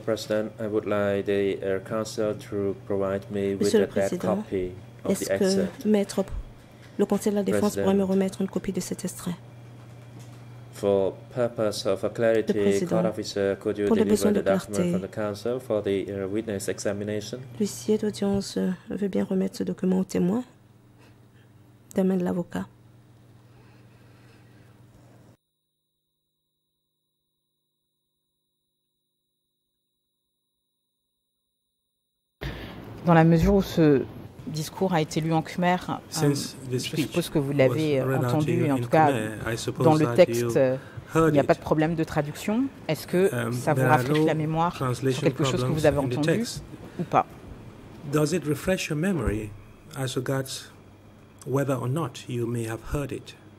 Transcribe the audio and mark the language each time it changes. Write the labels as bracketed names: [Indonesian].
[English] President, I would like the Council to provide me with a dead copy of the excerpt. [French] Que Maître, le Conseil de la Défense pourrait me remettre une copie de cet extrait? [English] For purpose of clarity, court officer, could you deliver the document from the Council for the witness examination? [French] L'huissier d'audience veut bien remettre ce document au témoin, de main de l'avocat. Dans la mesure où ce discours a été lu en khmer, je suppose que vous l'avez entendu, et en tout cas, khmer, dans le texte, il n'y a pas de problème de traduction. Est-ce que ça vous rafraîchit la mémoire sur quelque chose que vous avez entendu ou pas? [English] Does it refresh your memory as regards whether or not you may have heard it?